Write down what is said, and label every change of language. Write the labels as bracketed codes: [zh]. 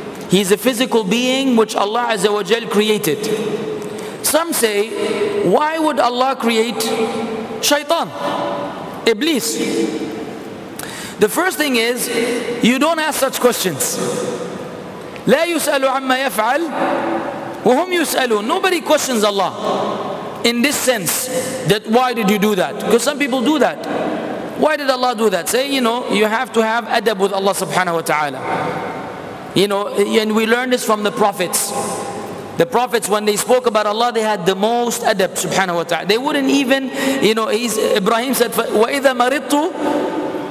[en] He's a physical being which Allah Azza wa Jal created. Some say, why would Allah create shaitan, Iblis? The first thing is, you don't ask such questions. [ar] لا يسأل عما يفعل وهم يسألون. [en] Nobody questions Allah in this sense that why did you do that? Because some people do that. Why did Allah do that? Say, you know, you have to have adab with Allah subhanahu wa ta'ala. You know, and we learn this from the prophets. The prophets, when they spoke about Allah, they had the most adab, subhanahu wa ta'ala. They wouldn't even, Ibrahim said, [ar] وَإِذَا مَرِضْتُ